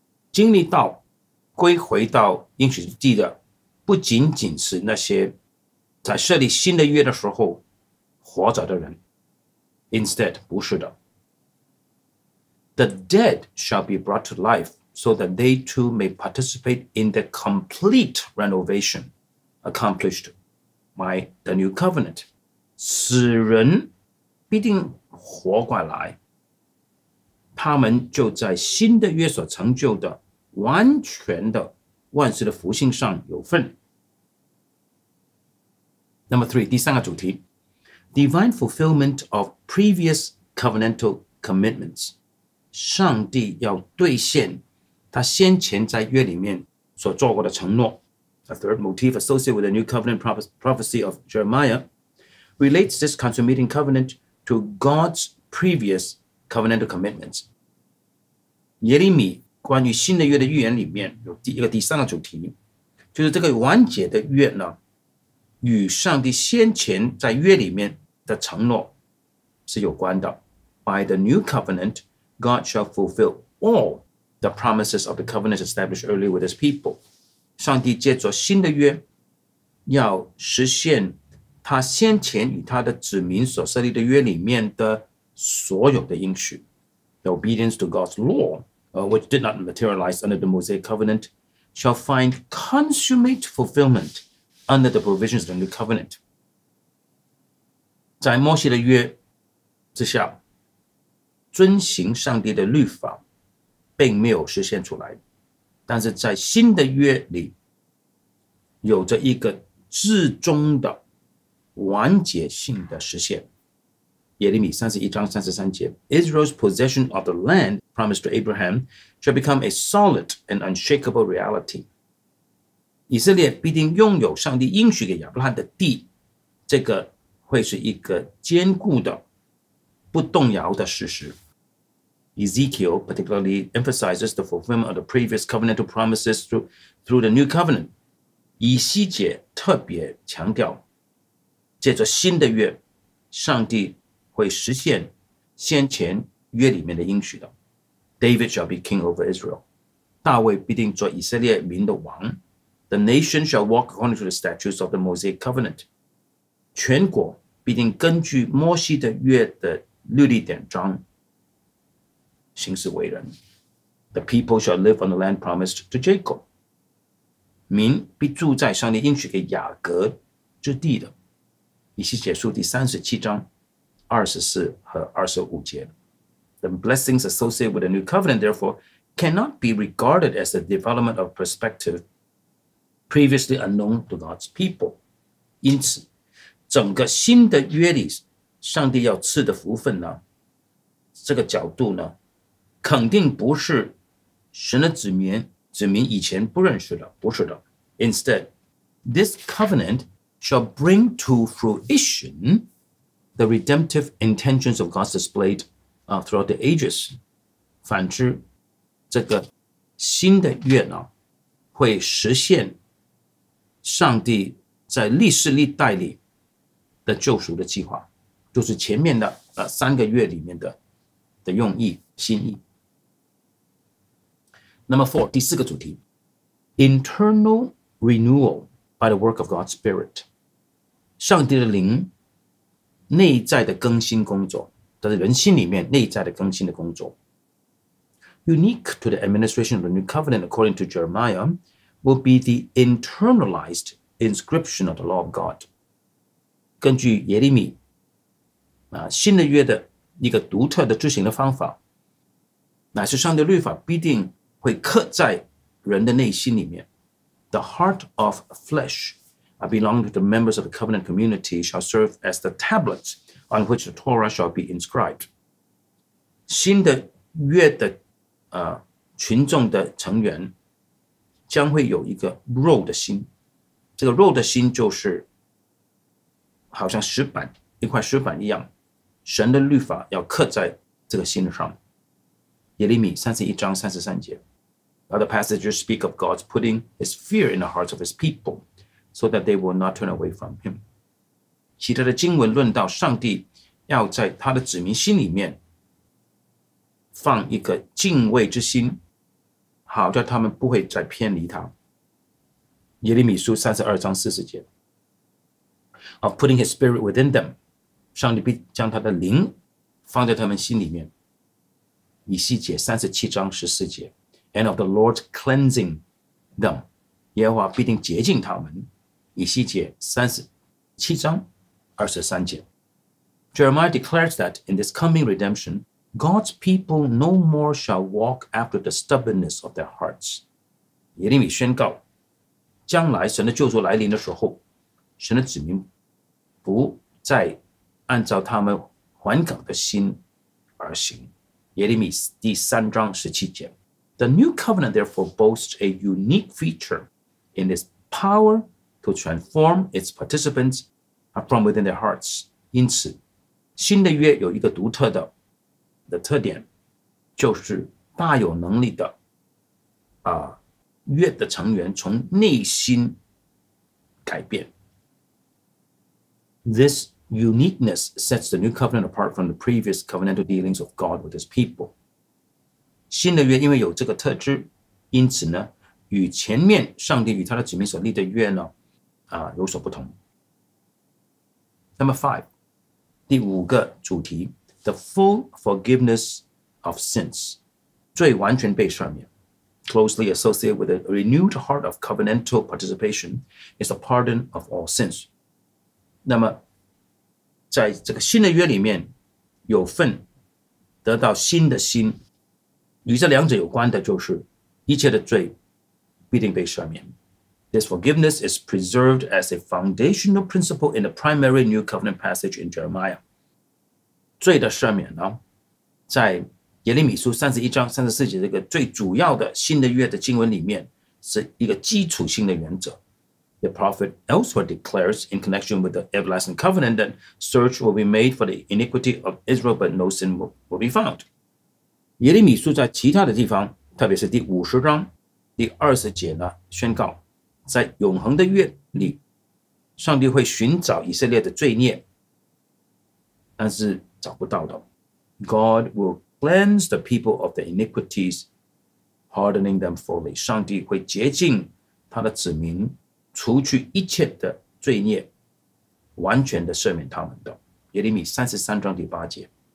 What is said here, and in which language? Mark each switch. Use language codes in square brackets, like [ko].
[zh] 经历到归回到应许之地的不仅仅是那些在设立新的约的时候活着的人。 [en] Instead, [zh] 不是的。 [en] The dead shall be brought to life so that they too may participate in the complete renovation accomplished. By the new covenant, [zh] 死人必定活过来，他们就在新的约所成就的完全的万事的复兴上有份。 [en] Number three, [zh] 第三个主题 , [en] divine fulfillment of previous covenantal commitments, [zh] 上帝要兑现他先前在约里面所做过的承诺。 [en] A third motif associated with the New Covenant prophecy of Jeremiah relates this consummating covenant to God's previous covenantal commitments. [zh] 耶利米关于新的约的预言里面有第一个第三个主题，就是这个完结的约呢，与上帝先前在约里面的承诺是有关的。 [en] By the New Covenant, God shall fulfill all the promises of the covenant established earlier with his people. [zh] 上帝借着新的约要实现他先前与他的子民所设立的约里面的所有的应许 [en] The obedience to God's law, which did not materialize under the Mosaic covenant, shall find consummate fulfillment under the provisions of the new covenant. [zh] 在摩西的约之下，遵行上帝的律法并没有实现出来，但是在新的约里有着一个至终的完结性的实现。 [en] 耶利米31:33, Israel's possession of the land promised to Abraham shall become a solid and unshakable reality. [zh] 以色列必定拥有上帝应许给亚伯拉罕的地，这个会是一个坚固的不动摇的事实。 [en] Ezekiel particularly emphasizes the fulfillment of the previous covenantal promises through the new covenant. [zh] 以西结特别强调借着新的约上帝会实现先前约里面的应许的。 [en] David shall be king over Israel. [zh] 大卫必定做以色列民的王。 [en] The nation shall walk according to the statutes of the Mosaic covenant. [zh] 全国必定根据摩西的约的律例典章行事为人。 [en] The people shall live on the land promised to Jacob. [zh] 民必住在上帝应许给雅各之地的。以西结书37:24-25. [en] The blessings associated with the new covenant, therefore, cannot be regarded as a development of perspective previously unknown to God's people. [zh] 因此，整个新的约里，上帝要赐的福分呢，这个角度呢，肯定不是神的子民以前不认识的，不是的。 [en] Instead, this covenant shall bring to fruition the redemptive intentions of God's displayed throughout the ages. [zh] 反之，这个新的约呢，会实现上帝在历世历代里的救赎的计划，就是前面的三个月里面的用意心意。 [en] Number four, [zh] 第四个主题 [en] ，internal renewal by the work of God's Spirit. [zh] 上帝的灵内在的更新工作，在人心里面内在的更新的工作。 [en] Unique to the administration of the new covenant, according to Jeremiah, will be the internalized inscription of the law of God. [zh] 根据耶利米，新的约的一个独特的执行的方法，乃是上帝律法必定会刻在人的内心里面。 [en] The heart of flesh belonging to the members of the covenant community shall serve as the tablets on which the Torah shall be inscribed. [zh] 新的约的群众的成员将会有一个肉的心，这个肉的心就是好像石板，一块石板一样，神的律法要刻在这个心上。耶利米31:33. [en] Other passages speak of God's putting his fear in the hearts of his people so that they will not turn away from him. [zh] 其他的经文论到上帝要在他的子民心里面放一个敬畏之心，好叫他们不会再偏离他。耶利米书32:40. [en] Of putting his spirit within them, [zh] 上帝必将他的灵放在他们心里面。以西结37:14. [en] And of the Lord cleansing them, [zh] 耶和华必定洁净他们。以西结37:23. [en] Jeremiah declares that in this coming redemption, God's people no more shall walk after the stubbornness of their hearts. [zh] 耶利米宣告，将来神的救赎来临的时候，神的子民不再按照他们顽梗的心而行。耶利米3:17. [en] The new covenant therefore boasts a unique feature in its power to transform its participants from within their hearts. [zh] 因此，新的约有一个独特的特点，就是大有能力的约的成员从内心改变。 [en] This uniqueness sets the new covenant apart from the previous covenantal dealings of God with his people. [zh] 新的约因为有这个特质，因此呢，与前面上帝与他的子民所立的约呢，有所不同。 [en] Number five, [zh] 第五个主题 [en] ,the full forgiveness of sins, [zh] 罪完全被赦免。 [en] Closely associated with a renewed heart of covenantal participation is the pardon of all sins. [zh] 那么在这个新的约里面有份得到新的心，与这两者有关的就是一切的罪必定被赦免。 [en] This forgiveness is preserved as a foundational principle in the primary New Covenant passage in Jeremiah. [zh] 罪的赦免呢，在耶利米书三十一章三十四节这个最主要的新的约的经文里面是一个基础性的原则。 [en] The prophet elsewhere declares in connection with the everlasting covenant that search will be made for the iniquity of Israel, but no sin will be found. [zh] 耶利米书在其他的地方，特别是第五十章第二十节呢，宣告在永恒的约里，上帝会寻找以色列的罪孽，但是找不到的。 [en] God will cleanse the people of their iniquities, hardening them fully. [zh] 上帝会洁净他的子民，除去一切的罪孽，完全的赦免他们的。耶利米三十三章第八节。